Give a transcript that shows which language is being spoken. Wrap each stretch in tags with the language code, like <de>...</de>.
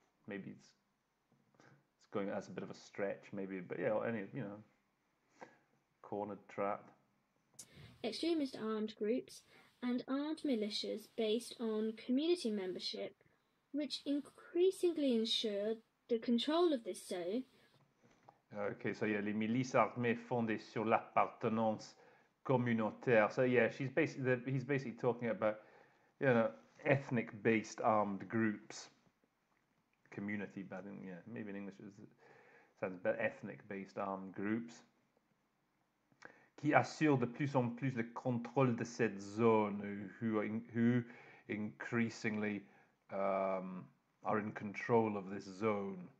<en>Maybe it's going as a bit of a stretch, maybe, but yeah, cornered, trapped. Extremist armed groups and armed militias based on community membership, which increasingly ensured the control of this zone. Okay, so yeah,</en> <fr>les milices armées fondées sur l'appartenance communautaire.</fr> <en>So yeah, he's basically talking about, you know, ethnic-based armed groups. Community, but yeah, maybe in English it sounds better, ethnic-based armed groups.</en> <fr>Qui assure de plus en plus le contrôle de cette zone,</fr> <en>who increasingly are in control of this zone.</en>